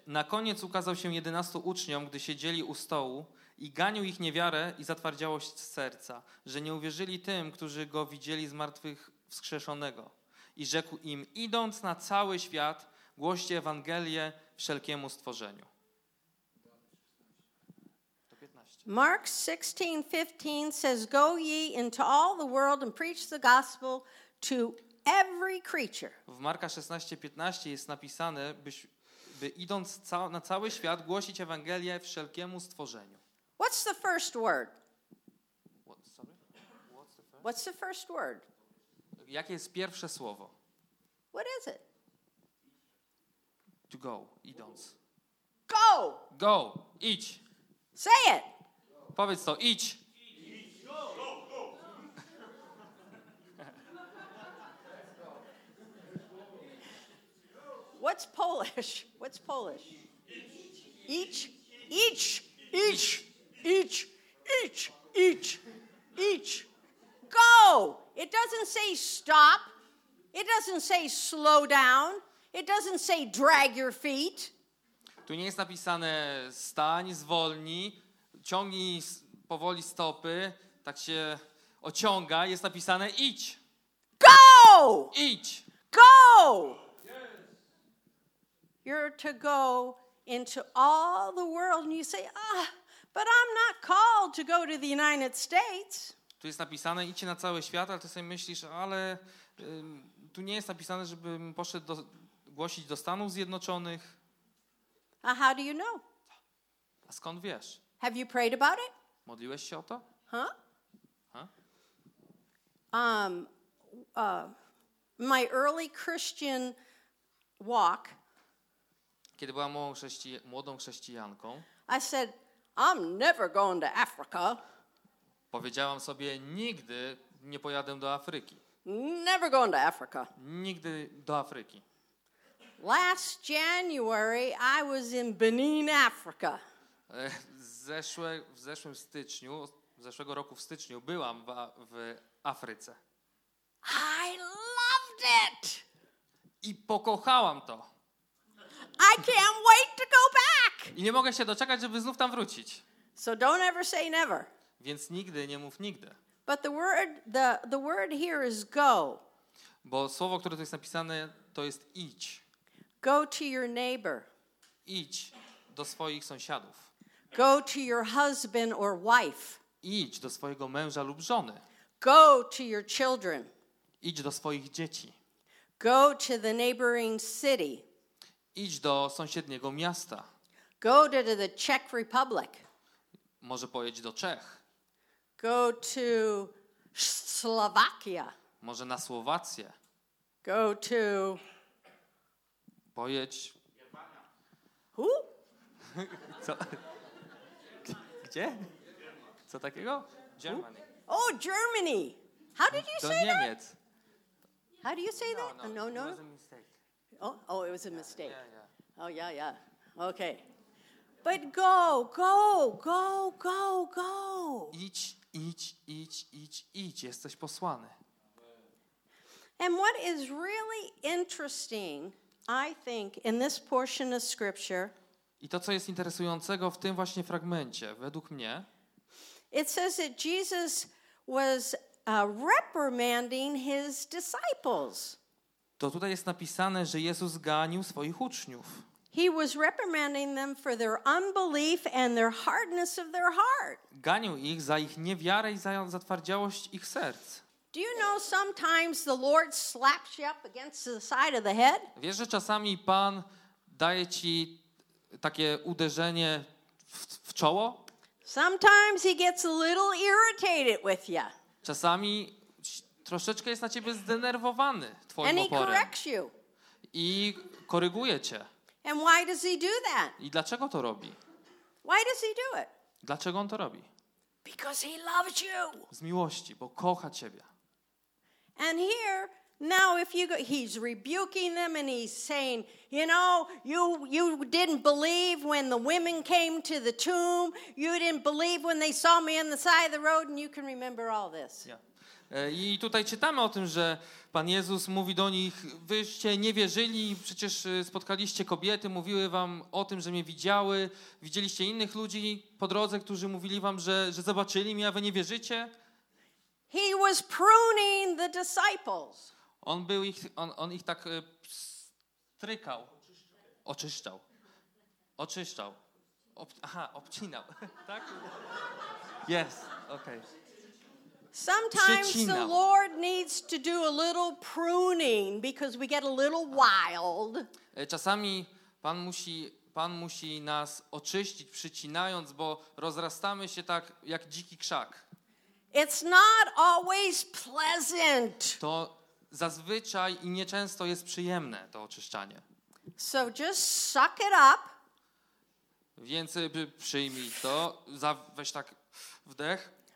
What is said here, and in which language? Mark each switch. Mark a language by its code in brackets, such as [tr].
[pl] Na koniec ukazał się 11 uczniom, gdy siedzieli u stołu i ganił ich niewiarę i zatwardziałość serca, że nie uwierzyli tym, którzy go widzieli zmartwychwskrzeszonego. I rzekł im, idąc na cały świat, głoście Ewangelię wszelkiemu stworzeniu. [en] Mark 16:15 says, go ye into all the world and preach the gospel to every creature. [pl] W Marka 16:15 jest napisane, by idąc na cały świat głosić Ewangelię wszelkiemu stworzeniu. [en] What's the first word? What's the first word? [pl] Jakie jest pierwsze słowo? [en] What is it? To go, idąc. Go! Go, idź. Say it. [pl] Powiedz to, idź. [en] What's Polish? What's Polish? Each, each, each, each, each, each, each. Go! It doesn't say stop. It doesn't say slow down. It doesn't say drag your feet. [pl] Tu nie jest napisane stań, zwolnij. Ciągnij powoli stopy, tak się ociąga. Jest napisane idź. [en] Go! [pl] Idź. [en] Go! Yes. You're to go into all the world. And you say, but I'm not called to go to the United States. [pl] Tu jest napisane, idźcie na cały świat, ale ty sobie myślisz, ale tu nie jest napisane, żebym poszedł głosić do Stanów Zjednoczonych. [en] A how do you know? [pl] A skąd wiesz? [en] Have you prayed about it? [pl] Modliłeś się o to? Huh? [en] My early Christian walk. [pl] Kiedy byłam młodą chrześcijanką. [en] I said, I'm never going to Africa. [pl] Powiedziałam sobie, nigdy nie pojadę do Afryki. [en] Never going to Africa. [pl] Nigdy do Afryki. [en] Last January I was in Benin, Africa. [pl] W zeszłego roku w styczniu byłam w Afryce. [en] I loved it. [pl] I pokochałam to. [en] I can't wait to go back. [pl] I nie mogę się doczekać, żeby znów tam wrócić. [en] So don't ever say never. [pl] Więc nigdy nie mów nigdy. [en] But the word here is go. [pl] Bo słowo, które tu jest napisane, to jest idź. [en] Go to your neighbor. [pl] Idź do swoich sąsiadów. [en] Go to your husband or wife. [pl] Idź do swojego męża lub żony. [en] Go to your children. [pl] Idź do swoich dzieci. [en] Go to the neighboring city. [pl] Idź do sąsiedniego miasta. [en] Go to the Czech Republic. [pl] Może pojedź do Czech. [en] Go to Slovakia. [pl] Może na Słowację. [en] Go to... [pl] Pojedź... [en] Who? [pl] Co? Gdzie? Co takiego? [en] Germany. Oh, Germany. How did you do say [pl] Niemiec. [en] That? How do you say no, that? No, no, no. It was a mistake. Oh, it was a mistake. Yeah, yeah. Oh, yeah, yeah. Okay. But go, go, go, go, go. [pl] Idź, idź, idź, idź, idź. Jesteś posłany. [en] And what is really interesting, I think, in this portion of scripture... [pl] I to, co jest interesującego w tym właśnie fragmencie, według mnie. [en] It says that Jesus was reprimanding his disciples. [pl] To tutaj jest napisane, że Jezus ganił swoich uczniów. [en] He was reprimanding them for their unbelief and their hardness of their heart. [pl] Ganił ich za ich niewiarę i za zatwardziałość ich serc. [en] Do you know sometimes the Lord slaps you up against the side of the head? [pl] Wiesz, że czasami Pan daje ci takie uderzenie w czoło? [en] Sometimes he gets a little irritated with you. [pl] Czasami troszeczkę jest na ciebie zdenerwowany twoim oporem. [en] And he corrects you. [pl] I koryguje cię. [en] And why does he do that? [pl] I dlaczego to robi? [en] Why does he do it? [pl] Dlaczego on to robi? [en] Because he loves you. [pl] Z miłości, bo kocha ciebie. [en] And here now if you go, he's rebuking them and he's saying, you know, you didn't believe when the women came to the tomb. You didn't believe when they saw me on the side of the road and you can remember all this. Yeah. [pl] I tutaj czytamy o tym, że Pan Jezus mówi do nich, wyście nie wierzyli, przecież spotkaliście kobiety, mówiły wam o tym, że mnie widziały, widzieliście innych ludzi po drodze, którzy mówili wam, że zobaczyli mnie, a wy nie wierzycie. [en] He was pruning the disciples. [pl] On był ich, on ich tak strykał, oczyszczał. Oczyszczał. Obcinał. Tak? [en] Yes, okay. [pl] Sometimes przycinał. [en] The Lord needs to do a little pruning because we get a little wild. [pl] Czasami Pan musi nas oczyścić, przycinając, bo rozrastamy się tak jak dziki krzak. [en] It's not always pleasant. [pl] To zazwyczaj i nieczęsto jest przyjemne, to oczyszczanie. [en] So just suck it up. [pl] Więc przyjmij to, weź tak wdech,